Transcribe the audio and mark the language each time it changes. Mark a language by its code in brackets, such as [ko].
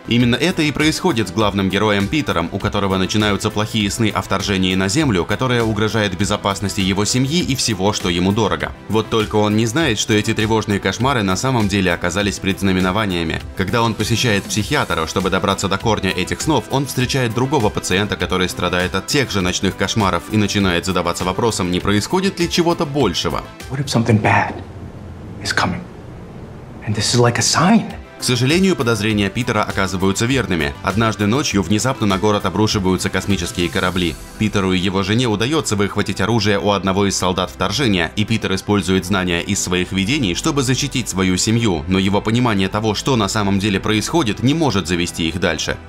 [ru] Именно это и происходит с главным героем Питером, у которого начинаются плохие сны о вторжении на Землю, которое угрожает безопасности его семьи и всего, что ему дорого. Вот только он не знает, что эти тревожные кошмары на самом деле оказались предзнаменованиями. Когда он посещает психиатра, чтобы добраться до корня этих снов, он встречает другого пациента, который страдает от тех же ночных кошмаров, и начинает задаваться вопросом, не происходит ли чего-то большего. [en] What if something bad is coming? And this is like a sign. [ru] К сожалению, подозрения Питера оказываются верными. Однажды ночью внезапно на город обрушиваются космические корабли. Питеру и его жене удается выхватить оружие у одного из солдат вторжения, и Питер использует знания из своих видений, чтобы защитить свою семью, но его понимание того, что на самом деле происходит, не может завести их дальше.